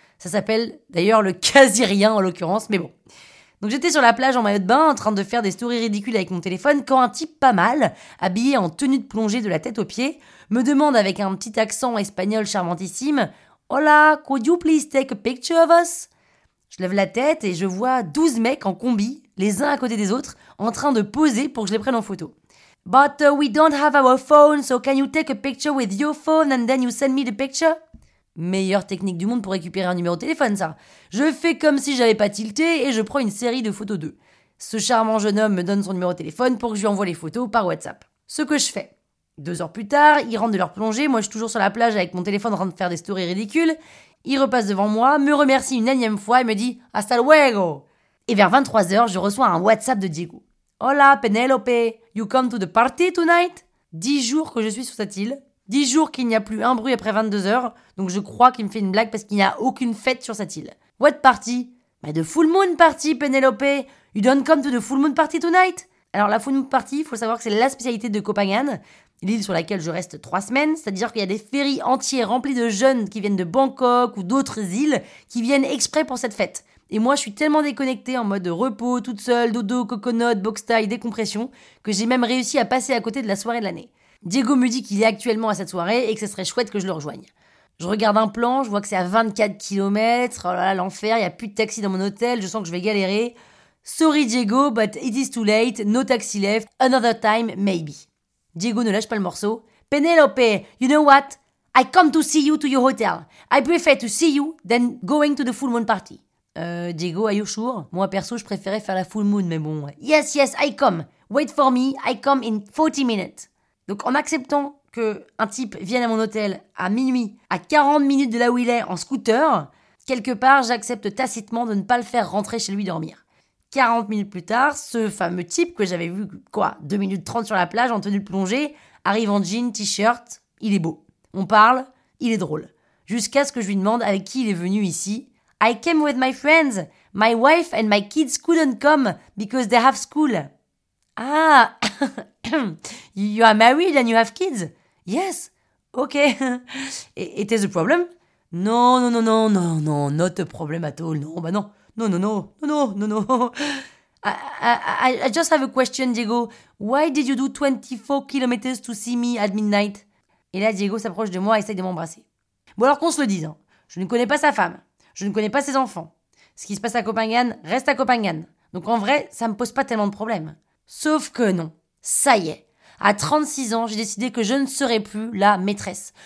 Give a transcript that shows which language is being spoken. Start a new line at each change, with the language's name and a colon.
French: Ça s'appelle d'ailleurs le quasi-rien en l'occurrence, mais bon. Donc j'étais sur la plage en maillot de bain, en train de faire des stories ridicules avec mon téléphone, quand un type pas mal, habillé en tenue de plongée de la tête aux pieds, me demande avec un petit accent espagnol charmantissime «
English: Hola, could you please take a picture of us ?»
French: Je lève la tête et je vois 12 mecs en combi, les uns à côté des autres, en train de poser pour que je les prenne en photo.
English: « But we don't have our phone, so can you take a picture with your phone and then you send me the picture ?»
French: Meilleure technique du monde pour récupérer un numéro de téléphone, ça. Je fais comme si j'avais pas tilté et je prends une série de photos d'eux. Ce charmant jeune homme me donne son numéro de téléphone pour que je lui envoie les photos par WhatsApp. Ce que je fais. 2 heures plus tard, ils rentrent de leur plongée, moi je suis toujours sur la plage avec mon téléphone en train de faire des stories ridicules. Il repasse devant moi, me remercie une énième fois et me dit «
Spanish: Hasta luego !»
French: Et vers 23h, je reçois un WhatsApp de Diego. «
English: Hola Penelope, you come to the party tonight ?»
French: 10 jours que je suis sur cette île. 10 jours qu'il n'y a plus un bruit après 22h, donc je crois qu'il me fait une blague parce qu'il n'y a aucune fête sur cette île.
English: What party?
French: Mais de
English: full moon party, Penelope! You don't come to the full moon party tonight?
French: Alors la full moon party, il faut savoir que c'est la spécialité de Copenhague, l'île sur laquelle je reste 3 semaines, c'est-à-dire qu'il y a des ferries entiers remplis de jeunes qui viennent de Bangkok ou d'autres îles qui viennent exprès pour cette fête. Et moi, je suis tellement déconnectée en mode repos, toute seule, dodo, coconut, box-tie, décompression, que j'ai même réussi à passer à côté de la soirée de l'année. Diego me dit qu'il est actuellement à cette soirée et que ce serait chouette que je le rejoigne. Je regarde un plan, je vois que c'est à 24 km, oh là là, l'enfer, il n'y a plus de taxi dans mon hôtel, je sens que je vais galérer.
English: Sorry Diego, but it is too late, no taxi left, another time, maybe.
French: Diego ne lâche pas le morceau.
English: Penelope, you know what? I come to see you to your hotel. I prefer to see you than going to the full moon party. Diego, are you sure?
French: Moi perso, je préférais faire la full moon, mais bon.
English: Yes, yes, I come. Wait for me, I come in 40 minutes.
French: Donc en acceptant qu'un type vienne à mon hôtel à minuit, à 40 minutes de là où il est, en scooter, quelque part j'accepte tacitement de ne pas le faire rentrer chez lui dormir. 40 minutes plus tard, ce fameux type que j'avais vu, quoi, 2 minutes 30 sur la plage en tenue de plongée, arrive en jean, t-shirt, il est beau. On parle, il est drôle. Jusqu'à ce que je lui demande avec qui il est venu ici.
English: « I came with my friends. My wife and my kids couldn't come because they have school. » Ah, you are married and you have kids? Yes, okay. It is a problem? No, not a problem at all. No. I just have a question, Diego. Why did you do 24 kilometers to see me at midnight?
French: Et là, Diego s'approche de moi et essaye de m'embrasser. Bon, alors qu'on se le dise, hein. Je ne connais pas sa femme. Je ne connais pas ses enfants. Ce qui se passe à Copenhague reste à Copenhague. Donc en vrai, ça ne me pose pas tellement de problèmes. Sauf que non, ça y est. À 36 ans, j'ai décidé que je ne serai plus la maîtresse.